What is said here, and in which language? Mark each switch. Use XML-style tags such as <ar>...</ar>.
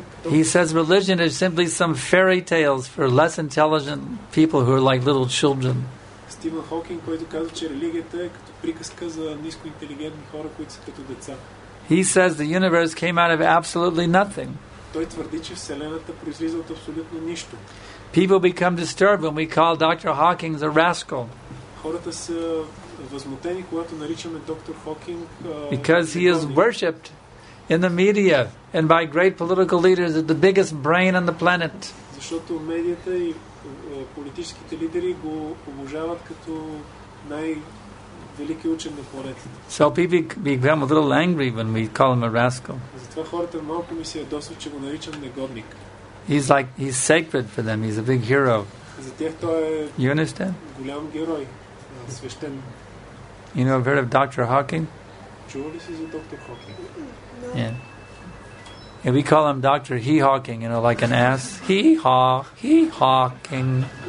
<en>He says religion is simply some fairy tales for less intelligent people who are like little children.</en> <bg>Стивен Хокинг, който казва, че религията е като приказка за нискоинтелигентни хора, които са като деца.</bg> <en>He says the universe came out of absolutely nothing.</en> <bg>Той твърди, че вселената произлиза от абсолютно нищо.</bg> <en>People become disturbed when we call Dr. Hawking a rascal.</en> <bg>Хората са възмутени, когато наричаме доктор Хокинг.</bg> <en>Because he is worshipped in the media and by great political leaders as the biggest brain on the planet.</en> <bg>Защото медията и политическите лидери го обожават като най велики учен на планетата.</bg> <en>So people become a little angry when we call him a rascal.</en> <bg>Затова хората малко ми се ядосват, че го наричам негодник.</bg> <en>He's like, he's sacred for them. He's a big hero.</en> <bg>За тях той е.</bg> <en>You understand?</en> <bg>Голям герой, свещен.</bg> <en>You know, heard of Dr. Hawking?</en> <bg>Чували си за доктор Хокинг?</bg> <en>Yeah. And we call him Dr. Hee Hawking, you know, like an ass. Hee Haw, Hee Hawking.</en>